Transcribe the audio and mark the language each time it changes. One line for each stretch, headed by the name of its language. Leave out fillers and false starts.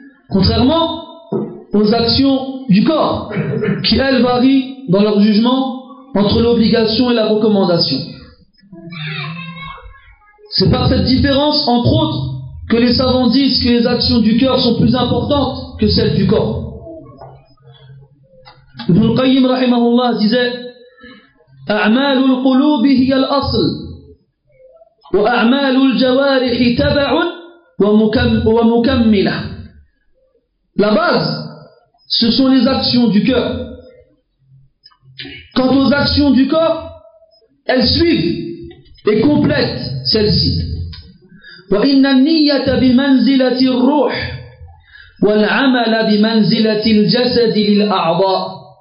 French: Contrairement aux actions du corps, qui elles varient dans leur jugement entre l'obligation et la recommandation. C'est par cette différence, entre autres, que les savants disent que les actions du cœur sont plus importantes que celles du corps.
Arabic: Ibn Qayyim rahimahullah disait أعمال القلوب هي الأصل وأعمال الجوارح تبع ومكملة.
French: La base, ce sont les actions du cœur. Quant aux actions du corps, elles suivent et complètent celles-ci.
Arabic: وَإِنَّ النِّيَّةَ بِمَنْزِلَةِ الرُّوحِ وَالْعَمَلَ بِمَنْزِلَةِ الْجَسَدِ لِلْأَعْضَاءِ.